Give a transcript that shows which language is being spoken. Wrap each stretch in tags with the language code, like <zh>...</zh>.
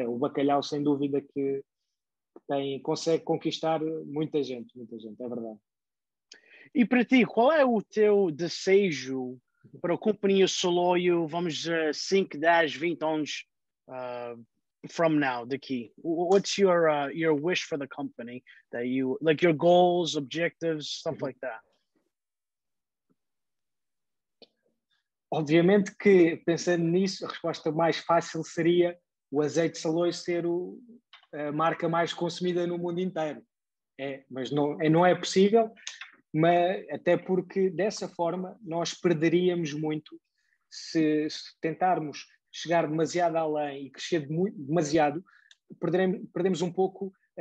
<pt>É o bacalhau, sem dúvida, que consegue conquistar muita gente, é verdade. E para ti, qual é o teu desejo para a companhia Soloio, vamos dizer, 5, 10, 20 anos</pt> <en>from now,</en> <pt>daqui?</pt> <en>What's your wish for the company? That you, like your goals, objectives, stuff like that?</en> <pt>Obviamente que, pensando nisso, a resposta mais fácil seria o azeite Soloio ser a marca mais consumida no mundo inteiro. Mas não é possível. Mas até porque dessa forma nós perderíamos muito se tentarmos chegar demasiado além e crescer demasiado, perdemos um pouco</pt>